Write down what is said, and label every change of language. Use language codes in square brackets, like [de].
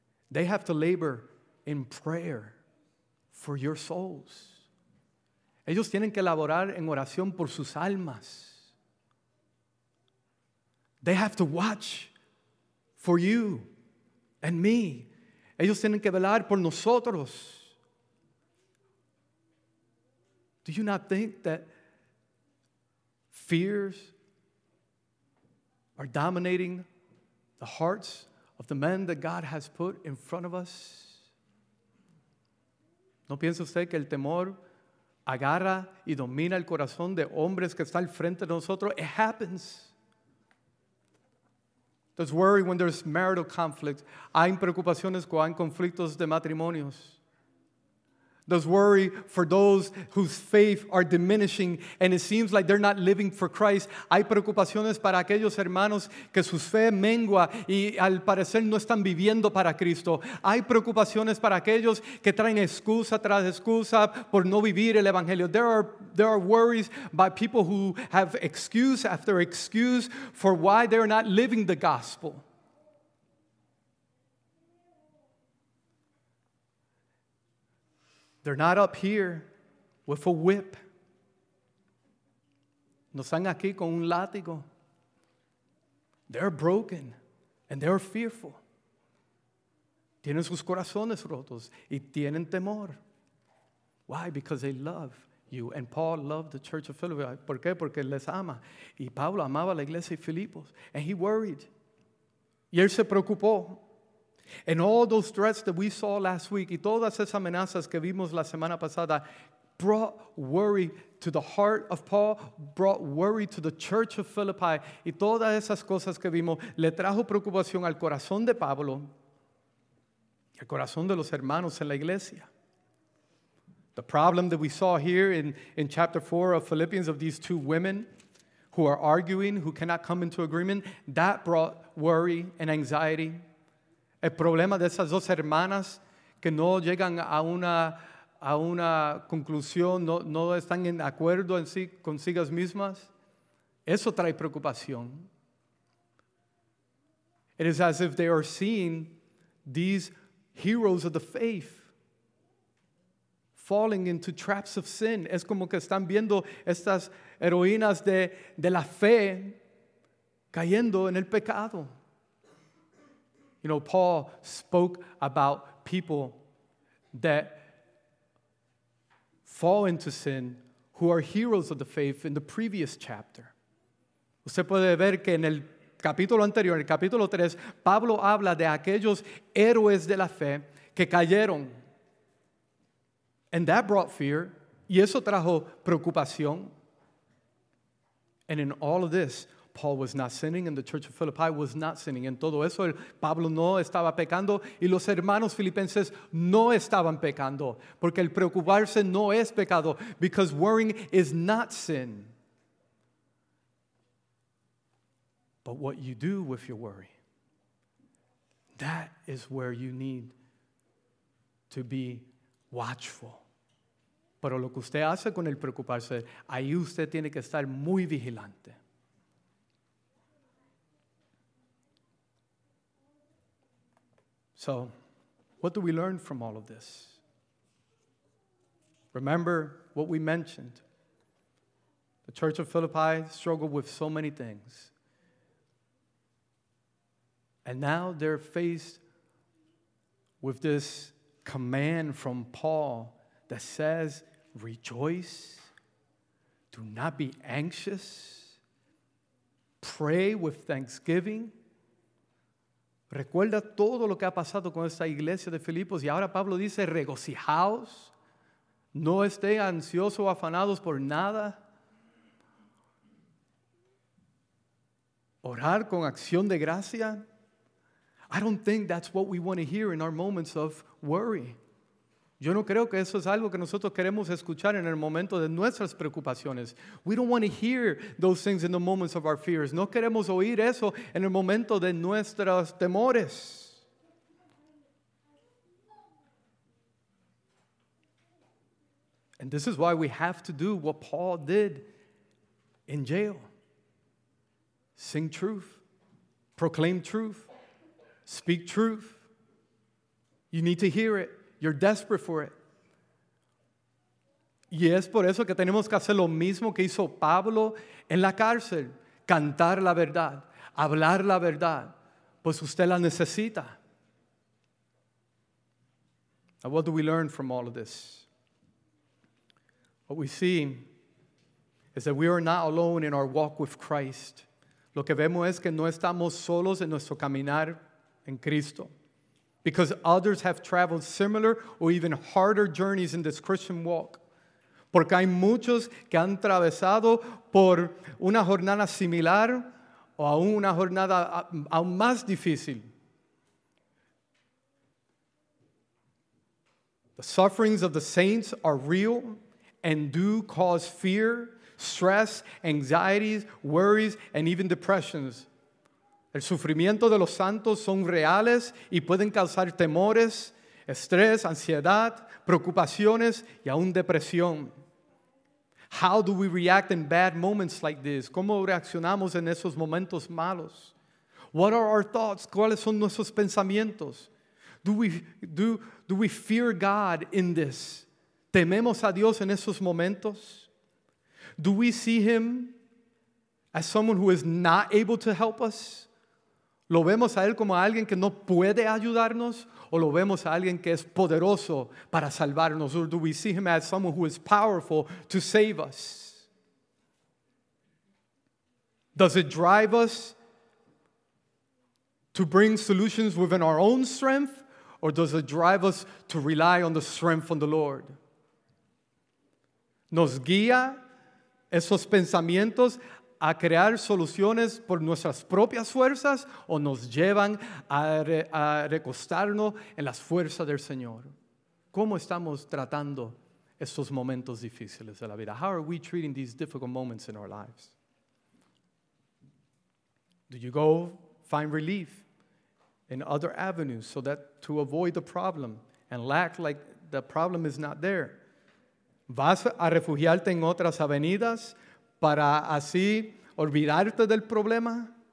[en] They have to labor in prayer for your souls. [es] Ellos tienen que laborar en oración por sus almas. [en] They have to watch for you and me. [es] Ellos tienen que velar por nosotros. [en] Do you not think that fears are dominating the hearts of the men that God has put in front of us? [es] ¿No piensa usted que el temor agarra y domina el corazón de hombres que están al frente de nosotros? [en] It happens. There's worry when there's marital conflict. [es] Hay preocupaciones cuando hay conflictos de matrimonios. [en] There's worry for those whose faith are diminishing and it seems like they're not living for Christ. [es] Hay preocupaciones para aquellos hermanos que su fe mengua y al parecer no están viviendo para Cristo. Hay preocupaciones para aquellos que traen excusa tras excusa por no vivir el Evangelio. [en] There are worries by people who have excuse after excuse for why they're not living the gospel. They're not up here with a whip. [es] No están aquí con un látigo. [en] They're broken and they're fearful. [es] Tienen sus corazones rotos y tienen temor. [en] Why? Because they love you. And Paul loved the church of Philippi. [es] ¿Por qué? Porque les ama. Y Pablo amaba la iglesia de Filipos. [en] And he worried. [es] Y él se preocupó. [en] And all those threats that we saw last week, [es] y todas esas amenazas que vimos la semana pasada, [en] brought worry to the heart of Paul, brought worry to the church of Philippi. [es] Y todas esas cosas que vimos le trajo preocupación al corazón de Pablo, al corazón de los hermanos en la iglesia. [en] The problem that we saw here in chapter 4 of Philippians of these two women who are arguing, who cannot come into agreement, that brought worry and anxiety. [es] El problema de esas dos hermanas que no llegan a una conclusión, no están en acuerdo en sí consigas mismas, eso trae preocupación. [en] It is as if they are seeing these heroes of the faith falling into traps of sin. [es] Es como que están viendo estas heroínas de la fe cayendo en el pecado. [en] You know, Paul spoke about people that fall into sin who are heroes of the faith in the previous chapter. [es] Usted puede ver que en el capítulo anterior, en el capítulo 3, Pablo habla de aquellos héroes de la fe que cayeron. [en] And that brought fear. [es] Y eso trajo preocupación. [en] And in all of this, Paul was not sinning, and the church of Philippi was not sinning. [es] En todo eso, Pablo no estaba pecando, y los hermanos filipenses no estaban pecando, porque el preocuparse no es pecado, [en] because worrying is not sin. But what you do with your worry, that is where you need to be watchful. [es] Pero lo que usted hace con el preocuparse, ahí usted tiene que estar muy vigilante. [en] So, what do we learn from all of this? Remember what we mentioned. The Church of Philippi struggled with so many things. And now they're faced with this command from Paul that says, rejoice, do not be anxious, pray with thanksgiving. [es] Recuerda todo lo que ha pasado con esta iglesia de Filipos. Y ahora Pablo dice, regocijaos. No estén ansiosos o afanados por nada. Orar con acción de gracia. [en] I don't think that's what we want to hear in our moments of worry. [es] Yo no creo que eso es algo que nosotros queremos escuchar en el momento de nuestras preocupaciones. [en] We don't want to hear those things in the moments of our fears. [es] No queremos oír eso en el momento de nuestros temores. [en] And this is why we have to do what Paul did in jail. Sing truth. Proclaim truth. Speak truth. You need to hear it. You're desperate for it. [es] Y es por eso que tenemos que hacer lo mismo que hizo Pablo en la cárcel. Cantar la verdad. Hablar la verdad. Pues usted la necesita. [en] Now, what do we learn from all of this? What we see is that we are not alone in our walk with Christ. [es] Lo que vemos es que no estamos solos en nuestro caminar en Cristo. [en] Because others have traveled similar or even harder journeys in this Christian walk. [es] Porque hay muchos que han atravesado por una jornada similar o aún una jornada aún más difícil. [en] The sufferings of the saints are real and do cause fear, stress, anxieties, worries, and even depressions. [es] El sufrimiento de los santos son reales y pueden causar temores, estrés, ansiedad, preocupaciones y aún depresión. [en] How do we react in bad moments like this? [es] ¿Cómo reaccionamos en esos momentos malos? [en] What are our thoughts? [es] ¿Cuáles son nuestros pensamientos? [en] Do we fear God in this? [es] ¿Tememos a Dios en esos momentos? [en] Do we see him as someone who is not able to help us? [es] ¿Lo vemos a él como a alguien que no puede ayudarnos? ¿O lo vemos a alguien que es poderoso para salvarnos? [en] Or do we see him as someone who is powerful to save us? Does it drive us to bring solutions within our own strength? Or does it drive us to rely on the strength of the Lord? [es] nos guía esos pensamientos a crear soluciones por nuestras propias fuerzas o nos llevan a recostarnos en las fuerzas del Señor? ¿Cómo estamos tratando estos momentos difíciles de la vida? [en] How are we treating these difficult moments in our lives? Do you go find relief in other avenues so that to avoid the problem and act like the problem is not there? [es] ¿Vas a refugiarte en otras avenidas para así olvidarte del problema?